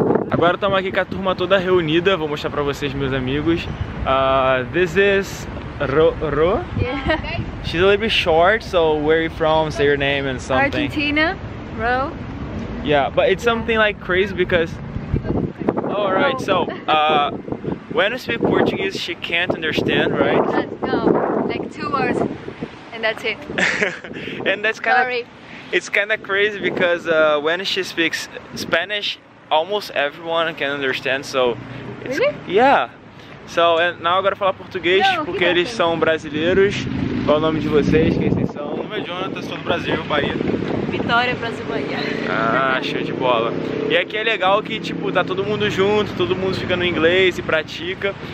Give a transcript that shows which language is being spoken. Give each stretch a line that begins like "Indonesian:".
Portuguese: Agora estamos aqui com a turma toda reunida, vou mostrar pra vocês, meus amigos.
English: This is... Ro? Yeah. She's a little bit short, so where are you from? Say your name and something. Argentina. Ro. Yeah, but it's something like crazy because... Oh, right. So, when I speak Portuguese, she can't understand, right? No, like two words and that's it. And that's kind of... It's kind of crazy because when she speaks Spanish, almost everyone can understand, so... It's, really? Yeah. So, now
Portuguese: agora falar português, não, porque eles são brasileiros. Qual o nome de vocês? Quem vocês são? Meu nome é Jonathan, sou do Brasil, Bahia. Vitória, Brasil, Bahia. Ah, show de bola. E aqui é legal que, tipo, tá todo mundo junto, todo mundo fica no inglês e pratica.